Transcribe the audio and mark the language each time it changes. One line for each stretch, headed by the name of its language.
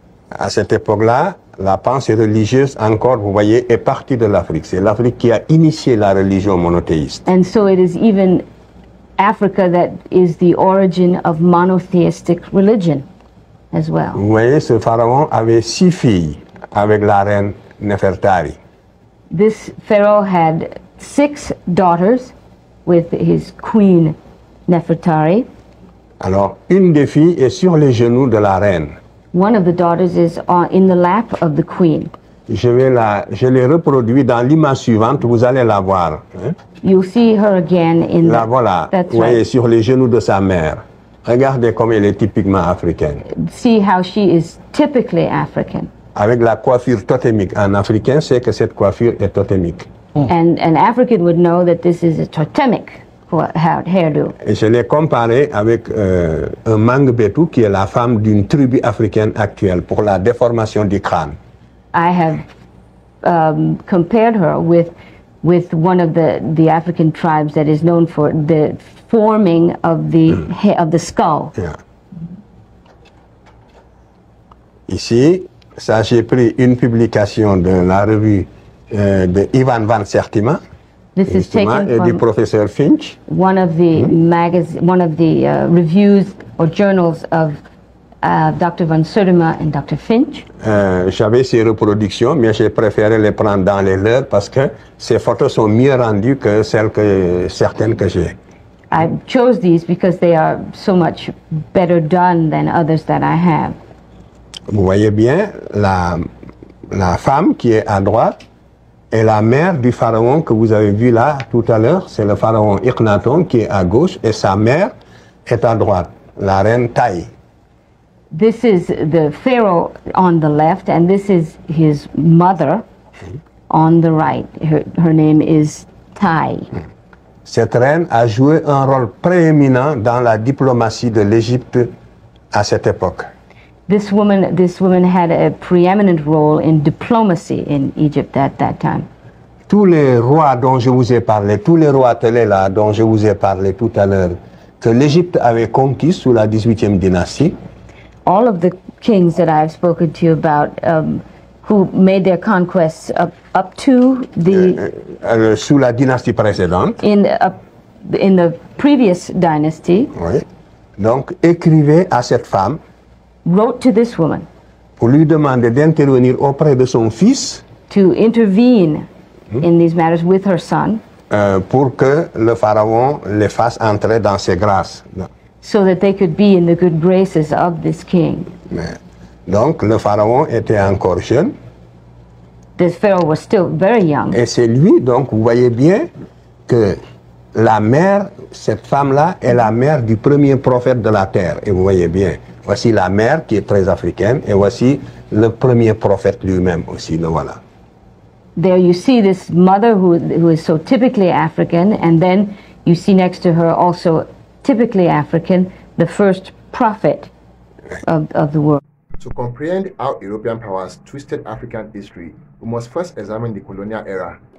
French: À cette époque-là, la pensée religieuse encore, vous voyez, est partie de l'Afrique. C'est l'Afrique qui a initié la religion monothéiste.
English: And so it is even Africa that is the origin of monotheistic religion as well.
French: Vous voyez, ce pharaon avait six filles avec la reine Nefertari.
English: This pharaoh had six daughters with his queen Nefertari.
French: Alors, une des filles est sur les genoux de la reine.
English: One of the daughters is in the lap of the queen.
French: Je l'ai reproduit dans l'image suivante, vous allez la voir.
English: You'll see her again in
French: la voilà, vous voyez,
English: right.
French: Sur les genoux de sa mère. Regardez comme elle est typiquement africaine.
English: See how she is typically African.
French: Avec la coiffure totémique. Un Africain sait que cette coiffure est totémique.
English: And an African would know that this is a totemic hairdo.
French: Et je l'ai comparé avec un Mangbetu qui est la femme d'une tribu africaine actuelle pour la déformation du crâne.
English: I have compared her with one of the African tribes that is known for the forming of the of the skull. Yeah.
French: Ici, ça j'ai pris une publication de la revue de Ivan Van Sertima.
English: This is taken from
French: du professeur Finch.
English: One of the reviews or journals of Dr. Van Sertima and Dr. Finch.
French: J'avais ces reproductions, mais j'ai préféré les prendre dans les leurs parce que ces photos sont mieux rendues que celles que certaines que j'ai.
English: I chose these because they are so much better done than others that I have.
French: Vous voyez bien, la femme qui est à droite est la mère du pharaon que vous avez vu là tout à l'heure. C'est le pharaon Akhenaton qui est à gauche et sa mère est à droite, la reine Taï.
English: This is the pharaoh on the left, and this is his mother on the right. Her name is Tai.
French: Cette reine a joué un rôle prééminent dans la diplomatie de l'Égypte à cette époque.
English: This woman had a preeminent role in diplomacy in Egypt at that time.
French: Tous les rois dont je vous ai parlé, tous les rois télés là dont je vous ai parlé tout à l'heure, que l'Égypte avait conquis sous la 18e dynastie,
English: all of the kings that I've spoken to you about who made their conquests up to the
French: sous la dynastie précédente
English: in the previous dynasty.
French: Oui. Donc écrivait à cette femme,
English: wrote to this woman,
French: pour lui demander d'intervenir auprès de son fils,
English: to intervene in these matters with her son,
French: pour que le pharaon les fasse entrer dans ses grâces.
English: So that they could be in the good graces of this king.
French: Donc, le pharaon était encore jeune.
English: This pharaoh was still very young.
French: Et c'est lui, donc, vous voyez bien que la mère, cette femme-là, est la mère du premier prophète de la terre. Et vous voyez bien, voici la mère qui est très africaine, et voici le premier prophète lui-même aussi, donc voilà.
English: There you see this mother who is so typically African, and then you see next to her also typically African, the first prophet of the world. To comprehend how European powers twisted African history, we must first examine the colonial era.